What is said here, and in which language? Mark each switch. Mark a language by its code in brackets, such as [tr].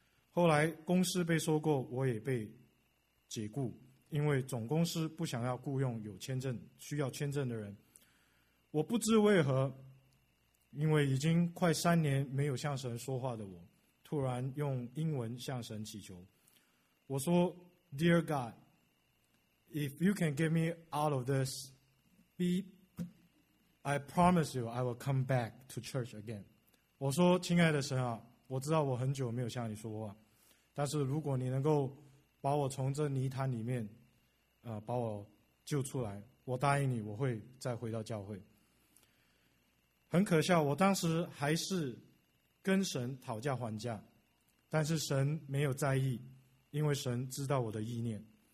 [zh] 后来公司被收购，我也被解雇，因为总公司不想要雇佣有签证需要签证的人。我不知为何，因为已经快3年没有向神说话的我，突然用英文向神祈求。我说 [en] Dear God, if you can get me out of this, I promise you I will come back to church again. [zh] 我说亲爱的神啊，我知道我很久没有向你说话，但是如果你能够把我从这泥潭里面把我救出来，我答应你我会再回到教会。很可笑，我当时还是跟神讨价还价，但是神没有在意，因为神知道我的意念。